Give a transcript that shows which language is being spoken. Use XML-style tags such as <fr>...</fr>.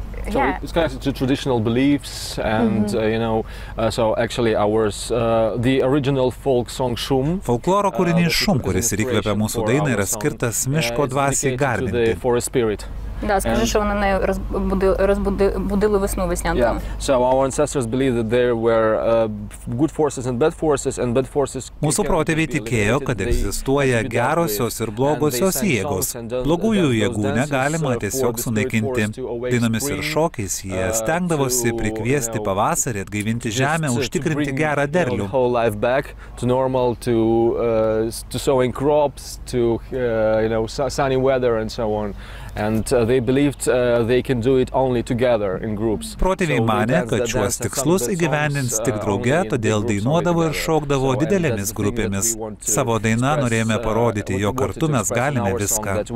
<en>So it's connected to traditional beliefs and you know so actually ours the original folk song Shum</en> <lt>folkloro kūrinys Shum kuris ir įkvėpė mūsų dainą yra skirtas miško dvasiai garbinti.</lt> <uk>Да, скажи, що вони нею розбудили весну веснянкам.</uk> <en>So our ancestors believed that there were good forces and bad forces and bad forces.</en> <lt>Mūsų protėviai tikėjo, kad egzistuoja gerosios ir blogosios jėgos. Blogųjų jėgų negalima tiesiog sunaikinti. Dainomis ir šokiais jie stengdavosi prikviesti pavasarį, atgaivinti žemę, užtikrinti gerą derlių.</lt> <en>And they believed they can do it only together in groups.</en> <lt>Protėviai manė, kad šiuos tikslus įgyvendins tik drauge, todėl dainuodavo ir šokdavo didelėmis grupėmis. Savo dainą norėjome parodyti, jog kartu mes galime viską.</lt>